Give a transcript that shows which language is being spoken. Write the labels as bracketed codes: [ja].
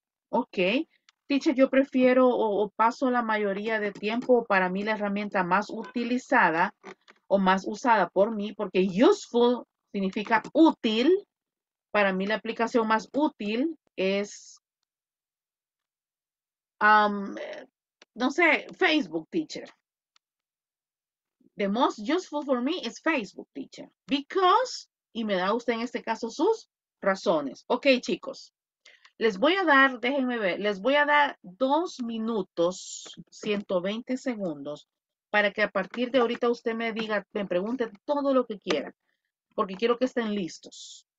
[es] Ok, teacher, yo prefiero o paso la mayoría de tiempo, para mí la herramienta más utilizada o más usada por mí, porque useful significa útil. Para mí la aplicación más útil es, no sé, Facebook, teacher. [en] The most useful for me is Facebook, teacher. [es] Because, y me da usted en este caso sus razones. Ok, chicos, les voy a dar 2 minutos, 120 segundos, para que a partir de ahorita usted me diga, me pregunte todo lo que quiera, porque quiero que estén listos.